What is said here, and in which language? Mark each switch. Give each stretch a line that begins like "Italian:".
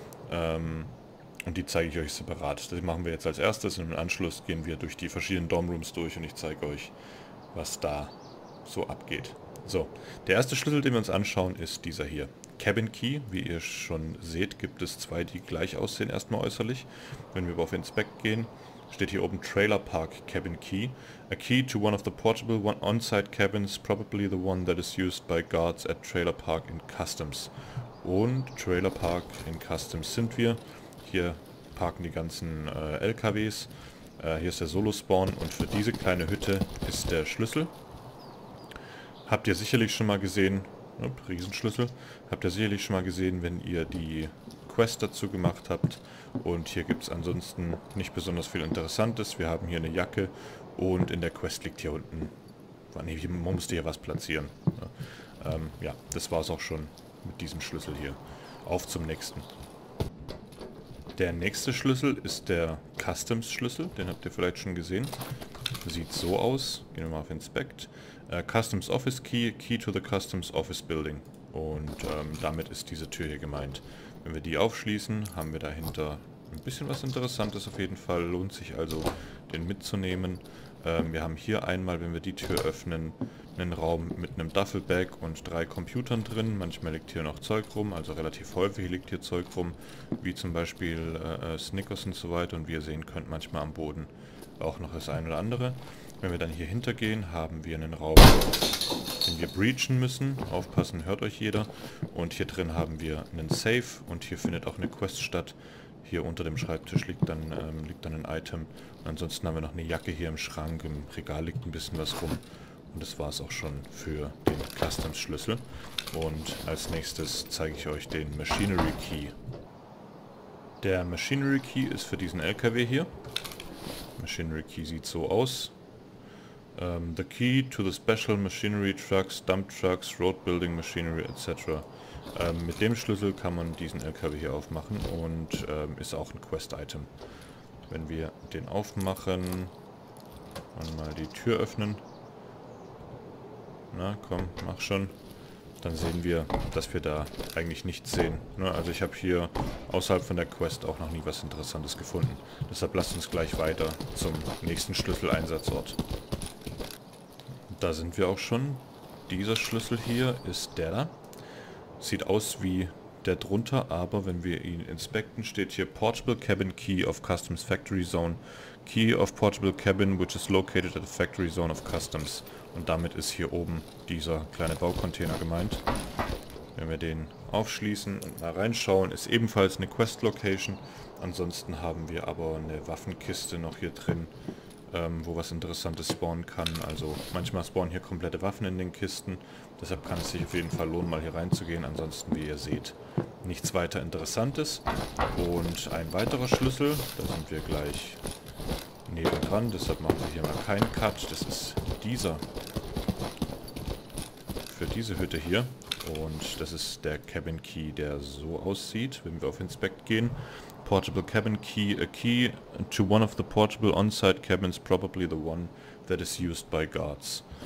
German: Und die zeige ich euch separat. Das machen wir jetzt als erstes und im Anschluss gehen wir durch die verschiedenen Dormrooms durch und ich zeige euch, was da so abgeht. So, der erste Schlüssel, den wir uns anschauen, ist dieser hier. Cabin Key. Wie ihr schon seht, gibt es zwei, die gleich aussehen erstmal äußerlich. Wenn wir auf Inspect gehen, steht hier oben Trailer Park Cabin Key.
English: A key to one of the portable on-site cabins, probably the one that is used by guards at Trailer Park in Customs.
German: Und Trailer Park in Customs sind wir. Hier parken die ganzen LKWs. Hier ist der Solo-Spawn und für diese kleine Hütte ist der Schlüssel. Habt ihr sicherlich schon mal gesehen, Riesenschlüssel, habt ihr sicherlich schon mal gesehen, wenn ihr die Quest dazu gemacht habt. Und hier gibt es ansonsten nicht besonders viel Interessantes. Wir haben hier eine Jacke und in der Quest liegt hier unten, man musste hier was platzieren. Ja, das war es auch schon mit diesem Schlüssel hier. Auf zum nächsten. Der nächste Schlüssel ist der Customs-Schlüssel, den habt ihr vielleicht schon gesehen. Sieht so aus, gehen wir mal auf Inspect.
English: Customs Office Key, Key to the Customs Office Building.
German: Und damit ist diese Tür hier gemeint. Wenn wir die aufschließen, haben wir dahinter ein bisschen was Interessantes auf jeden Fall. Lohnt sich also, den mitzunehmen. Wir haben hier einmal, wenn wir die Tür öffnen, einen Raum mit einem Duffelbag und drei Computern drin. Manchmal liegt hier noch Zeug rum, also relativ häufig liegt hier Zeug rum, wie zum Beispiel Snickers und so weiter. Und wie ihr sehen könnt, manchmal am Boden auch noch das ein oder andere. Wenn wir dann hier hintergehen, haben wir einen Raum, den wir breachen müssen. Aufpassen, hört euch jeder. Und hier drin haben wir einen Safe und hier findet auch eine Quest statt. Hier unter dem Schreibtisch liegt dann ein Item. Und ansonsten haben wir noch eine Jacke hier im Schrank, im Regal liegt ein bisschen was rum. Und das war es auch schon für den Customs-Schlüssel. Und als nächstes zeige ich euch den Machinery Key. Der Machinery Key ist für diesen LKW hier. Machinery Key sieht so aus.
English: The key to the special machinery trucks, dump trucks, road building machinery etc.
German: Mit dem Schlüssel kann man diesen LKW hier aufmachen und ist auch ein Quest-Item. Wenn wir den aufmachen und mal die Tür öffnen. Na komm, mach schon. Dann sehen wir, dass wir da eigentlich nichts sehen. Also ich habe hier außerhalb von der Quest auch noch nie was Interessantes gefunden. Deshalb lasst uns gleich weiter zum nächsten Schlüsseleinsatzort. Da sind wir auch schon. Dieser Schlüssel hier ist der da. Sieht aus wie der drunter, aber wenn wir ihn inspekten, steht hier Portable Cabin Key of Customs Factory Zone.
English: Key of Portable Cabin, which is located at the Factory Zone of Customs.
German: Und damit ist hier oben dieser kleine Baucontainer gemeint. Wenn wir den aufschließen und mal reinschauen, ist ebenfalls eine Quest Location. Ansonsten haben wir aber eine Waffenkiste noch hier drin, wo was Interessantes spawnen kann. Also manchmal spawnen hier komplette Waffen in den Kisten. Deshalb kann es sich auf jeden Fall lohnen, mal hier reinzugehen. Ansonsten, wie ihr seht, nichts weiter Interessantes. Und ein weiterer Schlüssel, da sind wir gleich nebendran. Deshalb machen wir hier mal keinen Cut. Das ist dieser. Für diese Hütte hier. Und das ist der Cabin Key, der so aussieht, wenn wir auf Inspect gehen.
English: Portable Cabin Key, a key to one of the portable on-site cabins, probably the one that is used by guards.